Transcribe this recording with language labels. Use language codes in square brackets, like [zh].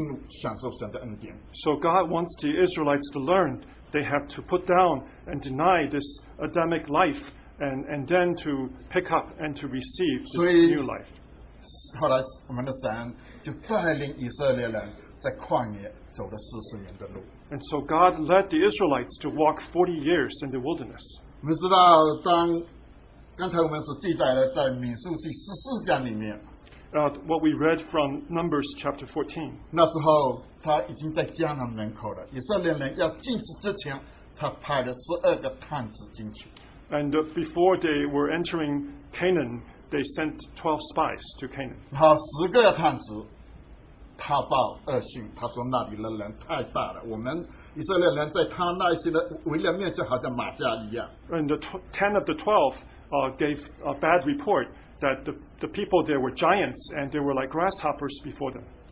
[en] So God wants the Israelites to learn they have to put down and deny this Adamic life and then to pick up and to receive this new life. And so God led the Israelites to walk 40 years in the wilderness. [zh] 刚才我们所记载的在民数记14章里面 [en] what we read from Numbers chapter 14 [zh] 那时候他已经在迦南门口了 以色列人要进去之前 他派了12个探子进去 [en] And before they were entering Canaan they sent 12 spies to Canaan [zh] 然后10个探子 他报恶讯他说那里的人太大了我们以色列人在他那些的围了面就好像马家一样 [en] And the 10 of the 12 gave a bad report that the people there were giants and they were like grasshoppers before them.